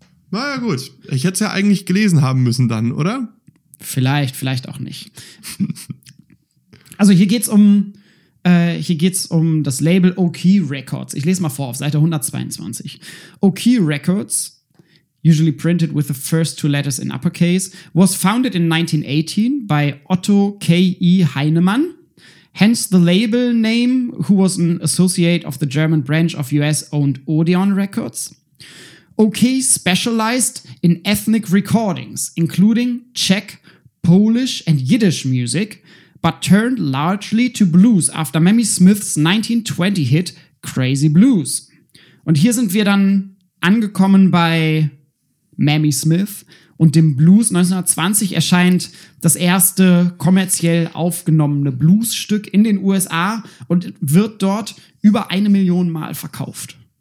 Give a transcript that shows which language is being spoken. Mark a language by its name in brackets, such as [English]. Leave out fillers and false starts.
[German] Na ja, gut. Ich hätte es ja eigentlich gelesen haben müssen dann, oder? Vielleicht auch nicht. Also hier geht's um das Label O'Key Records. Ich lese mal vor auf Seite 122. [English] O'Key Records, usually printed with the first two letters in uppercase, was founded in 1918 by Otto K.E. Heinemann. Hence the label name, who was an associate of the German branch of US-owned Odeon Records. O'Key specialized in ethnic recordings, including Czech, Polish, and Yiddish music, but turned largely to blues after Mammy Smith's 1920 hit Crazy Blues. [German] Und hier sind wir dann angekommen bei Mammy Smith und dem Blues. 1920 erscheint das erste kommerziell aufgenommene Bluesstück in den USA und wird dort über 1 Million Mal verkauft.